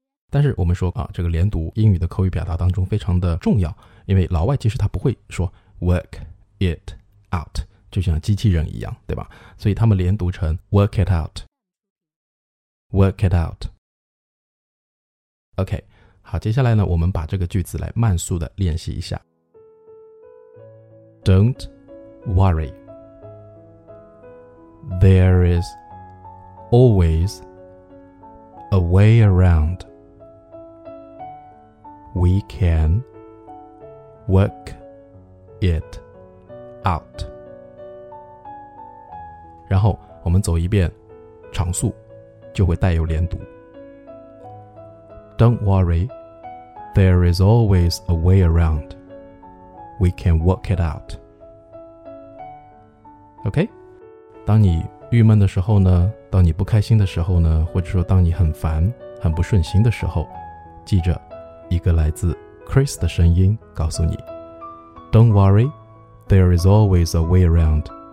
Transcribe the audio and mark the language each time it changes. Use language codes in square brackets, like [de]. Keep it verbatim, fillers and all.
[zh] 但是我们说啊，这个连读英语的口语表达当中非常的重要，因为老外其实他不会说 [en] work it out， [zh] 就像机器人一样，对吧？所以他们连读成 [en] work it out work it out。 [zh] OK， 好，接下来呢，我们把这个句子来慢速的练习一下。 [en] Don't worry, there is always a way around. We can work it out. [zh] 然后我们走一遍常速，就会带有连读。 [en] Don't worry, there is always a way around. We can work it out. [zh] OK， 当你郁闷的时候呢，当你不开心的时候呢，或者说当你很烦、很不顺心的时候，记着，一个来自 Chris 的声音告诉你 [en] Don't worry, there is always a way around.